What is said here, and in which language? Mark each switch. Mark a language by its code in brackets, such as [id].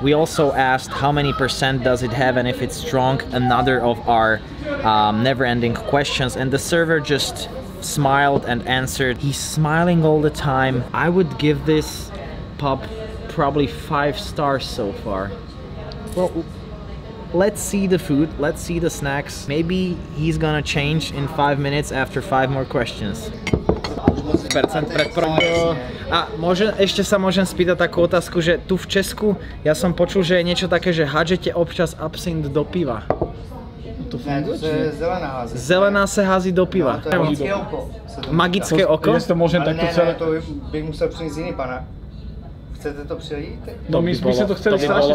[en] We also asked how many percent does it have and if it's strong, another of our never-ending questions, and the server just smiled and answered. He's smiling all the time. I would give this pub probably 5 stars so far. Well, let's see the food, let's see the snacks. Maybe he's gonna change in 5 minutes after 5 more questions. [sk] Percent a môžem, ešte sa môžem spýtať takú otázku, že tu v Česku ja som počul, že je niečo také, že hádžete občas absint do piva. [cs] To funguje, ne, to se zelená se hází do piva. No, to je magické oko. Magické oko? [sk] To môžem takto celé. [cs] Ne, to bych musel přinést jiný pana. Chcete to přijít? No, my jsme se to chtěli strašně zkusit.